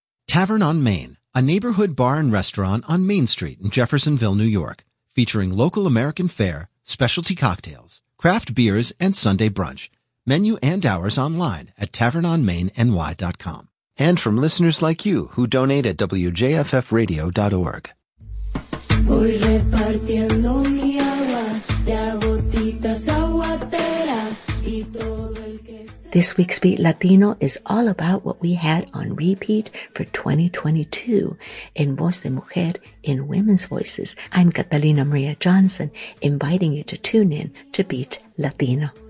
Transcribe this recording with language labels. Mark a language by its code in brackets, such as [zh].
[en] Tavern on Main, a neighborhood bar and restaurant on Main Street in Jeffersonville, New York, featuring local American fare, specialty cocktails, craft beers, and Sunday brunch. Menu and hours online at TavernOnMainNY.com. and from listeners like you who donate at WJFFradio.org. [es] Voy repartiendo mi agua de a gotitas aguatera y todo el que... [en] This week's Beat Latino is all about what we had on repeat for 2022 in Voz de Mujer, in Women's Voices. I'm Catalina Maria Johnson, inviting you to tune in to Beat Latino.